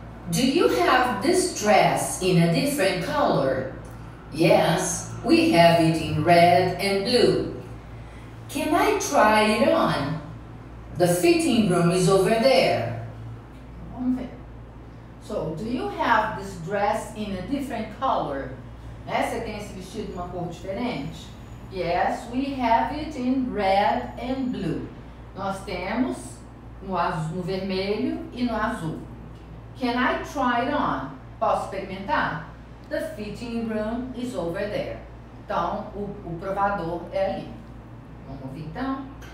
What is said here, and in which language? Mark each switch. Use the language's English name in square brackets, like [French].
[English] Do you have this dress in a different color? Yes, we have it in red and blue. Can I try it on? The fitting room is over there. So, do you have this dress in a different color? [Portuguese] Né? Você tem esse vestido de uma cor diferente? [English] Yes, we have it in red and blue. [Portuguese] Nós temos no vermelho e no azul. [English] Can I try it on? [Portuguese] Posso experimentar? [English] The fitting room is over there. [Portuguese] Então, o provador é ali. Vamos ouvir então?